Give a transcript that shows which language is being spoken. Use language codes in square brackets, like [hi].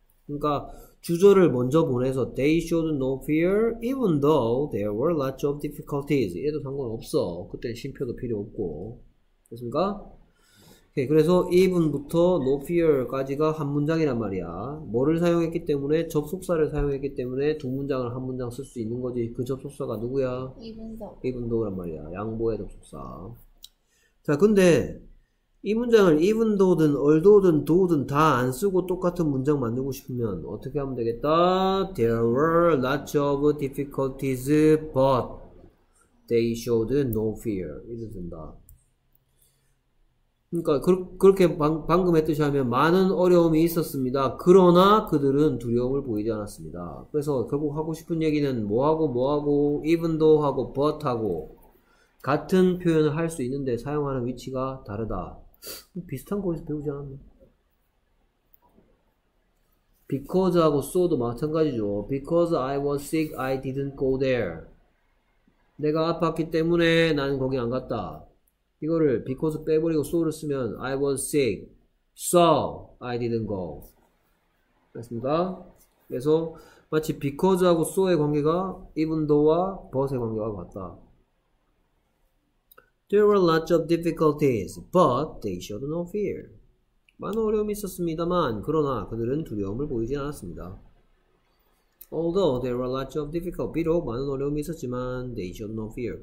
[ko] 그러니까 주절을 먼저 보내서 [en] They showed no fear, even though there were lots of difficulties. [ko] 얘도 상관없어. 그때 쉼표도 필요 없고, 됐습니까? 오케이, 그래서 even부터 no fear까지가 한 문장이란 말이야. 뭐를 사용했기 때문에? 접속사를 사용했기 때문에 두 문장을 한 문장 쓸 수 있는 거지. 그 접속사가 누구야? even though. even though란 말이야. 양보의 접속사. 자, 근데 이 문장을 even though든 although든 do든 다 안 쓰고 똑같은 문장 만들고 싶으면 어떻게 하면 되겠다? [en] There were lots of difficulties, but they showed no fear. [ko] 이래도 된다. 그러니까 그렇게 방금 했듯이 하면 많은 어려움이 있었습니다. 그러나 그들은 두려움을 보이지 않았습니다. 그래서 결국 하고 싶은 얘기는 뭐하고 뭐하고 even though하고 but하고 같은 표현을 할 수 있는데 사용하는 위치가 다르다. 비슷한 거에서 배우지 않았나? because하고 so도 마찬가지죠. [en] because I was sick I didn't go there. [ko] 내가 아팠기 때문에 나는 거기 안 갔다. 이거를 because 빼버리고 so를 쓰면 [en] I was sick, so I didn't go. [ko] 맞습니다. 그래서 마치 because하고 so의 관계가 even though와 but의 관계와 같다. [en] There were lots of difficulties, but they showed no fear. [ko] 많은 어려움이 있었습니다만 그러나 그들은 두려움을 보이지 않았습니다. [en] Although there were lots of difficulties, [ko] 비록 많은 어려움이 있었지만 [en] they showed no fear.